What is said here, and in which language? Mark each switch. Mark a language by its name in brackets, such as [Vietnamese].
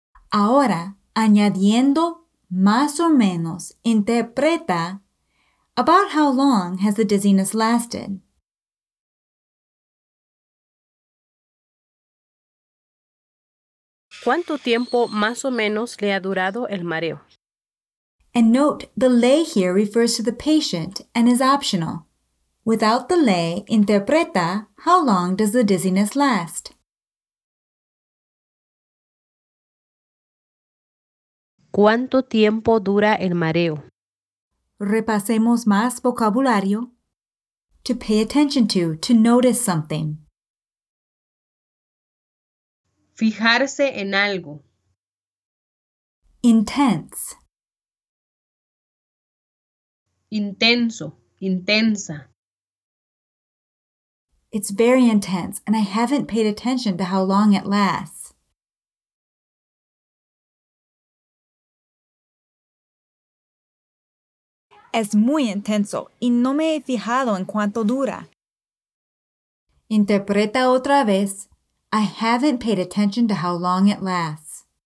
[Spanish] Ahora, añadiendo más o menos, interpreta, [English] about how long has the dizziness lasted? [Spanish] ¿Cuánto tiempo más o menos le ha durado el mareo? [English] And note, the lay here refers to the patient and is optional. Without the lay, interpreta, how long does the dizziness last? [Spanish] ¿Cuánto tiempo dura el mareo? Repasemos más vocabulario. [English] To pay attention to notice something. [Spanish] Fijarse en algo. [English] Intense. [Spanish] Intenso, intensa. [English] It's very intense, and I haven't paid attention to how long it lasts. [Spanish] Es muy intenso y no me he fijado en cuánto dura. Interpreta otra vez. [English] I haven't paid attention to how long it lasts.